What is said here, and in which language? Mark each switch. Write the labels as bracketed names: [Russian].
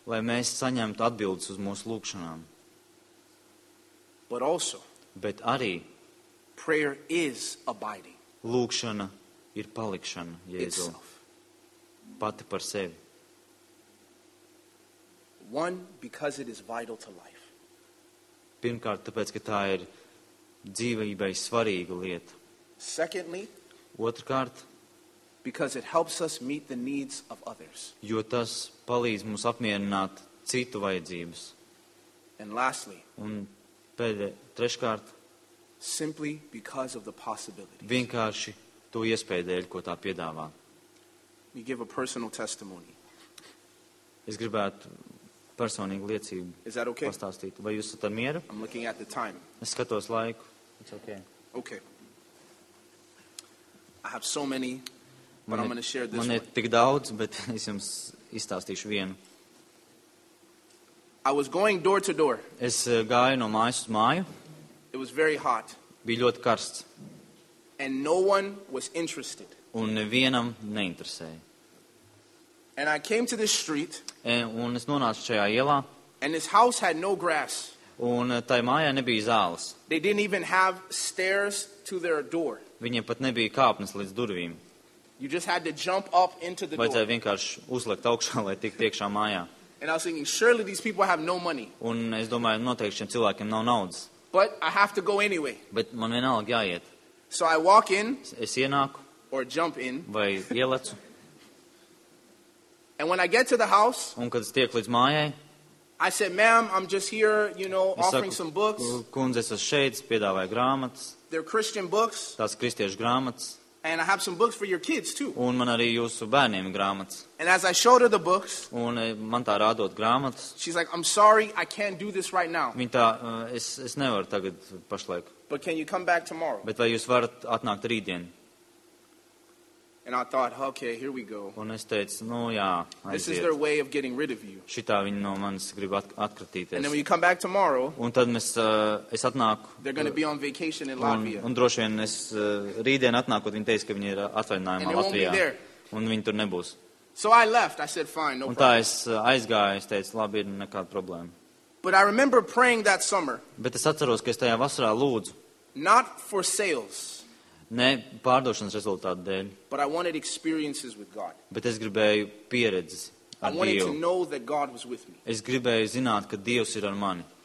[Latvian] Lai mēs saņemtu atbildes uz mūsu lūkšanām. [English] But also. [Latvian] Bet arī. [English] Prayer is abiding. [Latvian] Lūkšana ir palikšana Jēzū. [English] Itself. [Latvian] Pati par sevi. [English] One, because it is vital to life. [Latvian] Pirmkārt, tāpēc, ka tā ir dzīvībai svarīga lieta. [English] Secondly, [Latvian] otrkārt, [English] because it helps us meet the needs of others. [Latvian] Jo tas palīdz mums apmierināt citu vajadzības. [English] And lastly, [Latvian] un treškārt, [English] simply because of the possibilities. [Latvian] Vienkārši to iespēju dēļ, ko tā piedāvā. [English] We give a personal testimony. [Latvian] Es gribētu personīgu liecību [English] okay? [Latvian] pastāstīt. Vai jūs esat ar mieru? [English] I'm looking at the time. [Latvian] Es skatos laiku. [English] It's okay. Okay. I have so many, but I'm going to share this [Latvian] man Man ir tik daudz, bet es jums izstāstīšu vienu. [English] I was going door to door. [Latvian] Es gāju no mājas uz māju. [English] It was very hot. [Latvian] Bija ļoti karsts. [English] And no one was interested. [Latvian] Un nevienam neinteresēja. [English] And I came to this street. [Latvian] Un es nonācu šajā ielā. [English] And this house had no grass. [Latvian] Un tai mājā nebija zāles. [English] They didn't even have stairs to their door. [Latvian] Viņiem pat nebija kāpnes līdz durvīm. [English] You just had to jump up into the door. [Latvian] Vajadzēja vienkārši uzlikt augšā, lai tiktu iekšā mājā. [English] And I was thinking, surely these people have no money. [Latvian] Un es domāju, noteikti šiem cilvēkiem nav naudas. [English] But I have to go anyway. [Latvian] Bet man vienalga jāiet. [English] So I walk in. [Latvian] Es ienāku. [English] Or jump in. [Latvian] Vai ielecu. [English] And when I get to the house, [Latvian] un kad es tieku līdz mājai, [English] I said, ma'am, I'm just here, you know, offering some books. [Latvian] Kundze, es esmu šeit, es piedāvāju grāmatas. [English] They're Christian books. [Latvian] Tās kristiešu grāmatas. [English] And I have some books for your kids, too. [Latvian] Un man arī jūsu bērniem ir grāmatas. [English] And as I showed her the books, [Latvian] un man tā rādot grāmatas, [English] she's like, I'm sorry, I can't do this right now. [Latvian] Viņa tā, es nevaru tagad pašlaik. [English] But can you come back tomorrow? [Latvian] Bet vai jūs varat atnākt rītdien? [English] And I thought, okay, here we go. [Latvian] Un es teicu, nu jā, aiziet. [English] This is their way of getting rid of you. [Latvian] Šitā viņi no manis grib atkratīties. [English] And then when you come back tomorrow, [Latvian] un tad mēs, es atnāku. [English] They're going to be on vacation in Latvia. [Latvian] Un droši vien es rītdien atnākot, viņi teica, ka viņi ir atvaļinājumā Latvijā. [English] And they won't be there. [Latvian] Un viņi tur nebūs. [English] So I left. I said, fine, no problem. [Latvian] Un tā es aizgāju, es teicu, labi, ir nekāda problēma. [English] But I remember praying that summer. [Latvian] Bet es atceros, ka es tajā vasarā lūdzu. [English] Not for sales. [Latvian] Ne pārdošanas rezultātu dēļ. [English] But I wanted experiences with God. [Latvian] Bet es gribēju pieredzes ar Dievu. I [English] wanted to know that God was with me. [Latvian] Es gribēju zināt, ka Dievs ir ar mani.